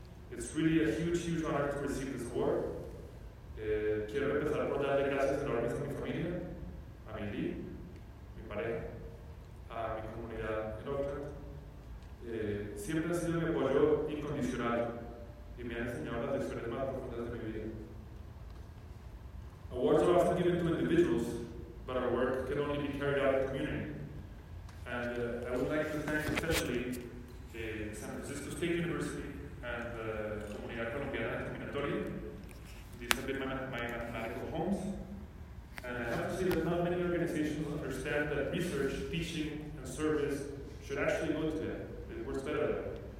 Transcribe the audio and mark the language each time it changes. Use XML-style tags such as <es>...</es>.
<en>It's really a huge, huge honor to receive this award.</en> <es>Quiero empezar por darle gracias enormes a mi familia, a mi Lee, mi pareja, a mi comunidad en Oakland. Siempre ha sido mi apoyo incondicional y me ha enseñado las lecciones más profundas de mi vida.</es> <en>Awards are often given to individuals, but our work can only be carried out in the community. And I would like to thank especially San Francisco State University and the Comunidad Colombiana Combinatoria. These have been my mathematical homes. And I have to say that not many organizations understand that research, teaching, and service should actually go to them. It works better that way.</en>